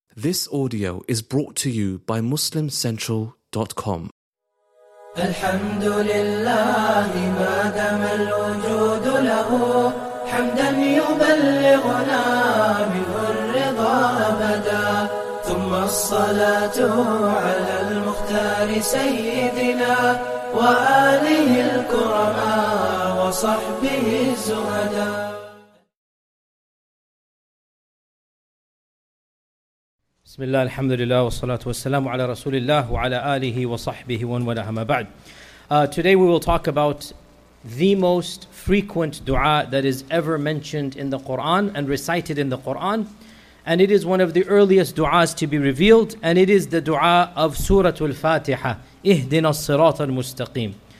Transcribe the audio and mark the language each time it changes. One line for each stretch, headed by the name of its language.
English: This audio is brought to you by MuslimCentral.com.
Arabic: الحمد لله ما دام الوجود له حمدا يبلغنا منه الرضا أبدا ثم الصلاة على المختار سيدنا وآله الكرماء وصحبه الزهداء. بسم الله الحمد لله والصلاة والسلام على رسول الله وعلى آله وصحبه ولا أما بعد.
English: Today we will talk about the most frequent dua that is ever mentioned in the Quran and recited in the Quran, and it is one of the earliest duas to be revealed, and it is the dua of Surah Al-Fatiha,
Arabic: اهدنا الصراط المستقيم.